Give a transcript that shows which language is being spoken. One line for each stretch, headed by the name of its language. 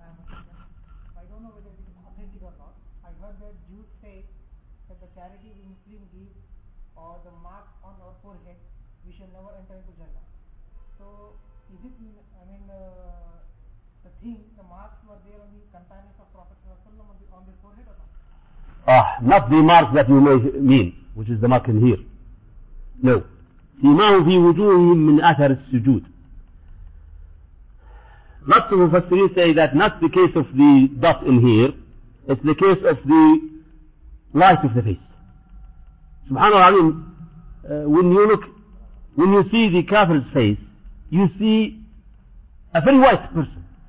English: I don't know whether it is authentic or not. I heard that Jews say that the charity in Muslim deeds or the mark on our forehead, we shall never enter into Jannah. So, is it, the thing, the marks were there on the companions of Prophet Rasulullah on the forehead or not? Not the mark that you may mean, which is the mark in here. No.
Arabic: ما في وجوههم من أثر السجود.
English: Lots of Muslims say that not the case of the dust in here, it's the case of the light of the face. Subhanallah, when you see the kafir's face, you see a very white person.